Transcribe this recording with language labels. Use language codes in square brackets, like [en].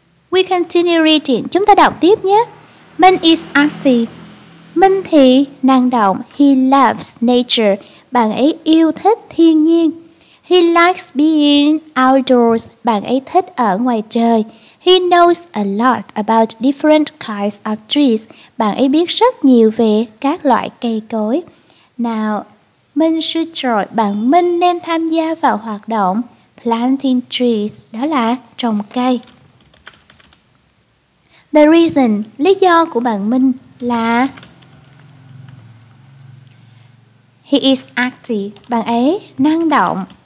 [en] We continue reading. [vi] Chúng ta đọc tiếp nhé. [en] Minh is active. [vi] Minh thì năng động. [en] He loves nature. [vi] Bạn ấy yêu thích thiên nhiên. [en] He likes being outdoors. [vi] Bạn ấy thích ở ngoài trời. [en] He knows a lot about different kinds of trees. [vi] Bạn ấy biết rất nhiều về các loại cây cối. [en] Now, Minh should join. [vi] Bạn Minh nên tham gia vào hoạt động [en] planting trees. [vi] Đó là trồng cây. [en] The reason, [vi] lý do của bạn Minh là [en] he is active, [vi] bạn ấy năng động.